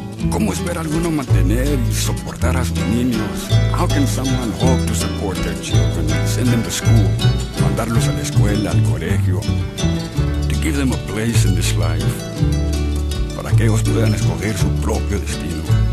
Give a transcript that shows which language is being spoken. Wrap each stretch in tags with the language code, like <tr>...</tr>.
<es>¿Cómo espera alguno mantener y soportar a sus niños?</es> <en>How can someone hope to support their children and send them to school?</en> <es>Mandarlos a la escuela, al colegio.</es> <en>To give them a place in this life.</en> <es>Para que ellos puedan escoger su propio destino.</es>